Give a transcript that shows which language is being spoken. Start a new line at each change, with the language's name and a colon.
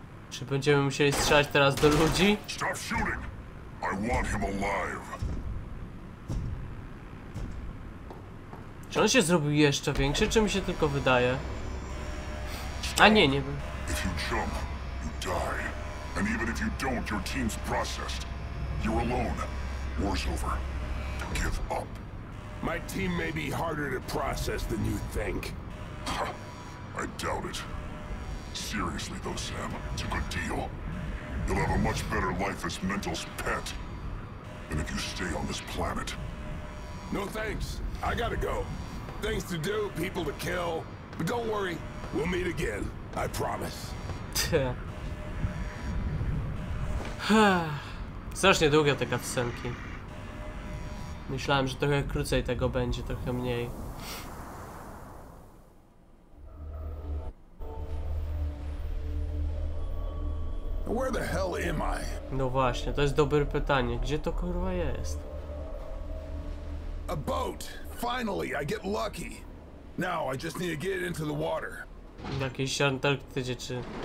Polish: Czy będziemy musieli strzelać teraz do ludzi?
English: Stop shooting. I want him alive.
Polish: Czy on się zrobił jeszcze większy, czy mi się tylko wydaje? A nie, nie wiem.
English: If you jump, you die. And even if you don't, your team's processed. You're alone. War's over. To give up. My team may be harder to process than you think. I doubt it. Seriously though, Sam, it's a good deal. You'll have a much better life as Mental's pet than if you stay on this planet. No thanks. I gotta go. Things to do, people to kill, but don't worry, we'll meet again, I promise.
Polish: Strasznie długie te kawsenki. Myślałem, że trochę krócej tego będzie, trochę mniej.
English: Where the hell am I?
Polish: No właśnie, to jest dobre pytanie. Gdzie to kurwa jest?
English: A boat! Finally, I get lucky. Now I just need to get into the water.
Polish: Jakieś Antarktydzie czy?